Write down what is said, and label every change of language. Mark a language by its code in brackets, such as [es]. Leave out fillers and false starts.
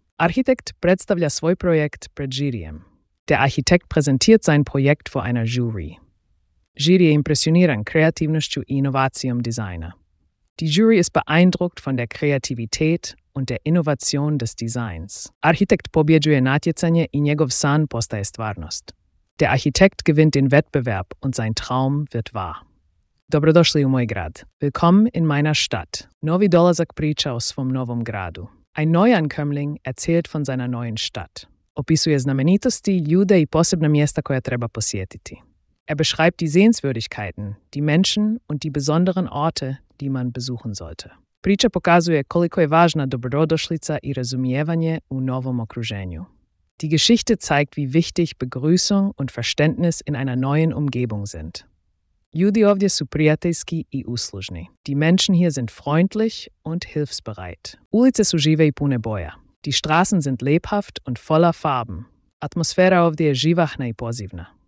[hr] Architekt predstavlja svoj projekt pred žirijem. [de] Der Architekt präsentiert sein Projekt vor einer Jury. [hr] Žirije impresioniran kreativnošću i inovacijom dizajna. [de] Die Jury ist beeindruckt von der Kreativität und der Innovation des Designs. [hr] Architekt pobjeđuje natjecanje i njegov san postaje stvarnost. [de] Der Architekt gewinnt den Wettbewerb und sein Traum wird wahr. [hr] Dobrodošli u moj grad. [de] Willkommen in meiner Stadt. [hr] Novi dolazak priča o svom novom gradu. [de] Ein Neuankömmling erzählt von seiner neuen Stadt. [hr] Opisuje znamenitosti, ljude i posebna mjesta koja treba posjetiti. [de] Er beschreibt die Sehenswürdigkeiten, die Menschen und die besonderen Orte, die man besuchen sollte. [hr] Priča pokazuje koliko je važna dobrodošlica i razumijevanje u novom okruženju. [de] Die Geschichte zeigt, wie wichtig Begrüßung und Verständnis in einer neuen Umgebung sind. [hr] Ljudi ovdje su prijateljski i uslužni. [de] Die Menschen hier sind freundlich und hilfsbereit. [hr] Ulice su žive i pune boja. [de] Die Straßen sind lebhaft und voller Farben. [hr] Atmosfera ovdje je živahna i pozivna.